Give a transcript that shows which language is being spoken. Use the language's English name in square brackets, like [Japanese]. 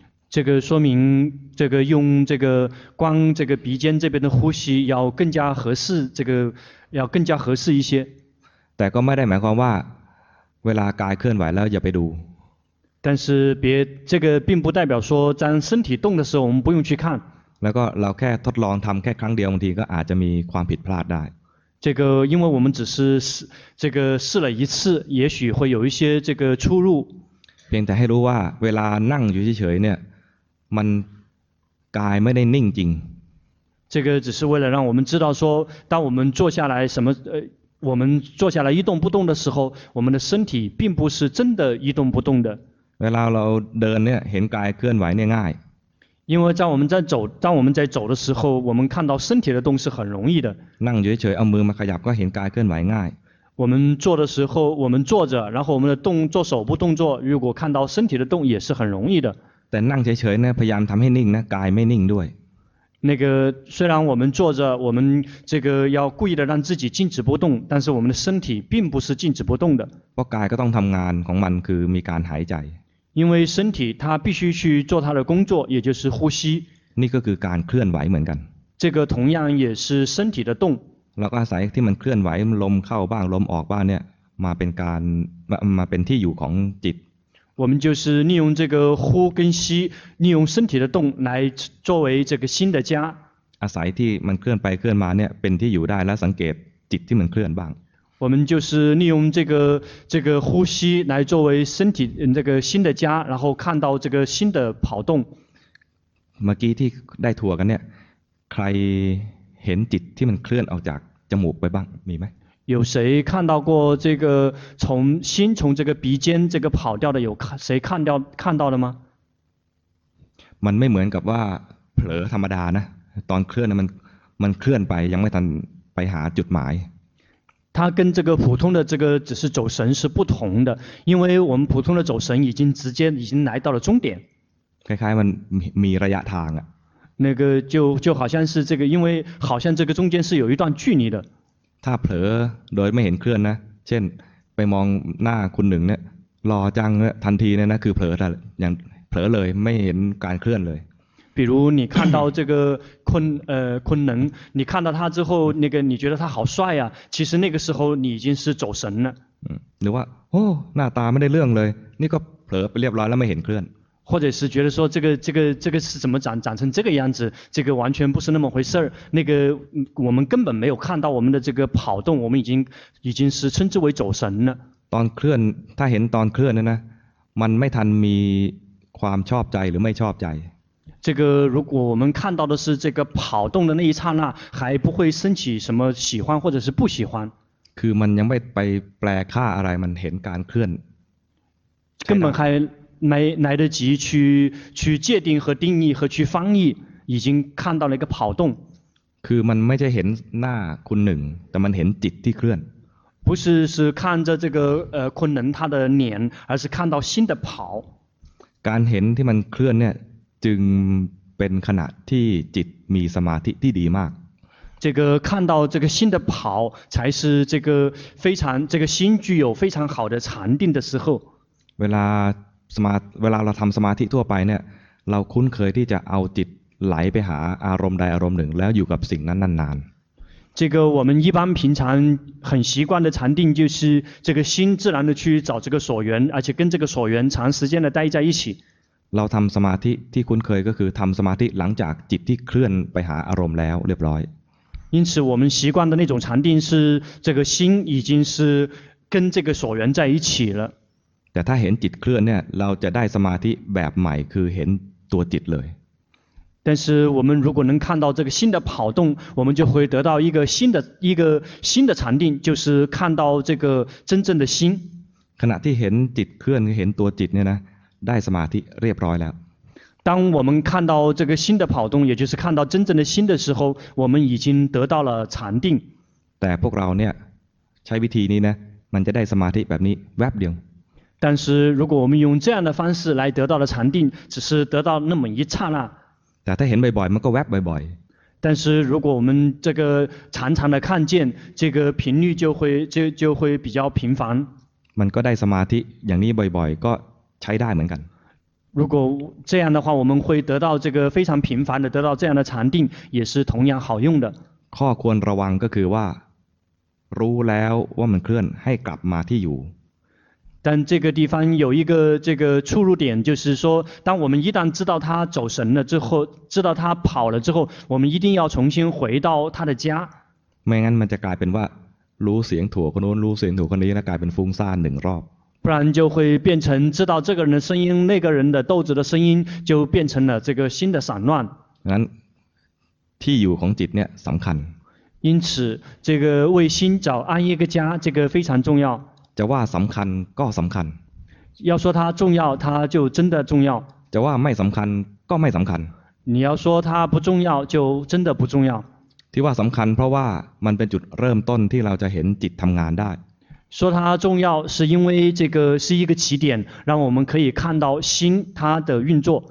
[Chinese] 这个说明这个用这个光这个鼻尖这边的呼吸要更加合适这个要更加合适一些 [Thai] แต่ก็ไม่ได้หมายความว่าเวลากายเคลื่อนไหวแล้วอย่าไปดู [Chinese] 但是别这个并不代表说当身体动的时候我们不用去看 [Thai] แล้วก็เราแค่ทดลองทำแค่ครั้งเดียวบางทีก็อาจจะมีความผิดพลาดได้ [Chinese] 这个因为我们只是这个试了一次也许会有一些这个出入 [Thai] เพียงแต่ให้รู้ว่าเวลานั่งอยู่เฉยๆเนี่ยมันกายไม่ได้นิ่งจริง [Chinese] 这个只是为了让我们知道说当我们坐下来什么我们坐下来一动不动的时候我们的身体并不是真的一动不动的 [Thai] เวลาเราเดินเนี่ยเห็นกายเคลื่อนไหวเนี่ยง่าย [Chinese] 因为当我们在走的时候我们看到身体的动是很容易的 [Thai] นั่งเฉยๆเอามือมาขยับก็เห็นกายเคลื่อนไหวง่าย วันจวดสิโฮวันจวดจ้ะแล้วพอวันจะต้องจวดสบุต้องจวด [Chinese] 如果看到身体的动也是很容易的 [Thai] แต่นั่งเฉยๆนะพยายามทำให้นิ่งนะกายไม่นิ่งด้วย [Chinese] 那个虽然我们坐着我们这个要故意的让自己静止不动但是我们的身体并不是静止不动的 [Thai] เพราะกายก็ต้องทำงานของมันคือมีการหายใจ [Chinese] 因为身体它必须去做它的工作也就是呼吸 [Thai] นี่ก็คือการเคลื่อนไหวเหมือนกัน [Chinese] 这个同样也是身体的动 [Thai] เราก็อาศัยที่มันเคลื่อนไหวลมเข้าบ้างลมออกบ้างเนี่ยมาเป็นการมาเป็นที่อยู่ของจิต [Chinese] 我们就是利用这个呼跟吸利用身体的动来作为这个心的家 [Thai] อาศัยที่มันเคลื่อนไปเคลื่อนมาเนี่ยเป็นที่อยู่ได้และสังเกตจิตที่มันเคลื่อนบ้าง [Chinese] 我们就是利用这个呼吸来作为身体这个心的家然后看到这个心的跑动 [Thai] เมื่อกี้ที่ได้ถั่วกันเนี่ยใครเห็นจิตที่มันเคลื่อนออกจากจมูกไปบ้างมีไหม [Chinese] 有谁看到过这个从心从这个鼻尖这个跑掉的有谁看到了吗 [Thai] มันไม่เหมือนกับว่าเผลอธรรมดานะตอนเคลื่อนมันเคลื่อนไปยังไม่ทันไปหาจุดหมาย [Chinese] 它跟这个普通的这个只是走神是不同的因为我们普通的走神已经直接已经来到了终点 [Thai] คล้ายๆมันมีระยะทางอะ [Chinese] 那个就好像是这个因为好像这个中间是有一段距离的 [Thai] ถ้าเผลอโดยไม่เห็นเคลื่อนนะเช่นไปมองหน้าคุณหนึ่งเนี่ยรอจังเนี่ยทันทีเนี่ยนะคือเผลอแต่อย่างเผลอเลยไม่เห็นการเคลื่อนเลย [Chinese] 比如你看到这个昆能你看到他之后那个你觉得他好帅啊其实那个时候你已经是走神了 [Thai] หรือว่าโอ้หน้าตาไม่ได้เรื่องเลยนี่ก็เผลอไปเรียบร้อยแล้วไม่เห็นเคลื่อน [Chinese] 或者是觉得说这个是怎么长成这个样子这个完全不是那么回事那个我们根本没有看到我们的这个跑动我们已经是称之为走神了 [Thai] ตอนเคลื่อนถ้าเห็นตอนเคลื่อนนะมันไม่ทันมีความชอบใจหรือไม่ชอบใจ [Chinese] 这个如果我们看到的是这个跑动的那一刹那还不会升起什么喜欢或者是不喜欢 [Thai] คือมันยังไม่ไปแปลค่าอะไรมันเห็นการเคลื่อน [Chinese] 根本还来得及去界定和定义和去翻译已经看到了一个跑动 [Thai] คือมันไม่ใช่เห็นหน้าคุณหนึ่งแต่มันเห็นจิตที่เคลื่อน [Chinese] 不是是看着这个昆仑他的脸而是看到心的跑 [Thai] การเห็นที่มันเคลื่อนเนี่ยจึงเป็นขณะที่จิตมีสมาธิที่ดีมาก [Chinese] 这个看到这个心的跑才是这个非常这个心具有非常好的禅定的时候 [Thai] เวลาเวลาเราทำสมาธิทั่วไปเนี่ยเราคุ้นเคยที่จะเอาจิตไหลไปหาอารมณ์ใดอารมณ์หนึ่งแล้วอยู่กับสิ่งนั้นนาน [Chinese] 这个我们一般平常很习惯的禅定就是这个心自然的去找这个所缘而且跟这个所缘长时间的待在一起 [Thai] เราทำสมาธิที่คุ้นเคยก็คือทำสมาธิหลังจากจิตที่เคลื่อนไปหาอารมณ์แล้วเรียบร้อย [Chinese] 因此我们习惯的那种禅定是这个心已经是跟这个所缘在一起了。 [Thai] แต่ถ้าเห็นจิตเคลื่อนเนี่ยเราจะได้สมาธิแบบใหม่คือเห็นตัวจิตเลย [Chinese] 但是我们如果能看到这个心的跑动，我们就会得到一个新的一个新的禅定，就是看到这个真正的心。 [Thai] ขณะที่เห็นจิตเคลื่อนเห็นตัวจิตเนี่ยนะได้สมาธิเรียบร้อยแล้ว [Chinese] 当我们看到这个心的跑动，也就是看到真正的心的时候，我们已经得到了禅定。 [Thai] แต่พวกเราเนี่ยใช้วิธีนี้นะมันจะได้สมาธิแบบนี้แวบเดียว [Chinese] 但是如果我们用这样的方式来得到了禅定，只是得到那么一刹那。 [Thai] แต่ถ้าเห็นบ่อยๆมันก็แวบบ่อย [Chinese] ๆ但是如果我们这个常常的看见，这个频率就会比较频繁。 [Thai] มันก็ได้สมาธิอย่างนี้บ่อยๆก็ใช้ได้เหมือนกัน [Chinese] 如果这样的话，我们会得到这个非常频繁的得到这样的禅定，也是同样好用的。 [Thai] ข้อควรระวังก็คือว่ารู้แล้วว่ามันเคลื่อนให้กลับมาที่อยู่ [Chinese] 但这个地方有一个这个出入点，就是说，当我们一旦知道他走神了之后，知道他跑了之后，我们一定要重新回到他的家。 [Thai] ไม่งั้นมันจะกลายเป็นว่ารู้เสียงถั่วคนนู้นรู้เสียงถั่วคนนี้แล้วกลายเป็นฟุ้งซ่านหนึ่งรอบ。 [Chinese] 不然就会变成知道这个人的声音，那个人的豆子的声音，就变成了这个心的散乱。 [Thai] งั้นที่อยู่ของจิตเนี่ยสำคัญ。 [Chinese] 因此，这个为心找安一个家，这个非常重要。 [Thai] จะว่าสำคัญก็สำคัญ [Chinese] 要说它重要它就真的重要 [Thai] จะว่าไม่สำคัญก็ไม่สำคัญ [Chinese] 你要说它不重要就真的不重要 [Thai] ที่ว่าสำคัญเพราะว่ามันเป็นจุดเริ่มต้นที่เราจะเห็นจิตทำงานได้ [Chinese] 说它重要是因为这个是一个起点让我们可以看到心它的运作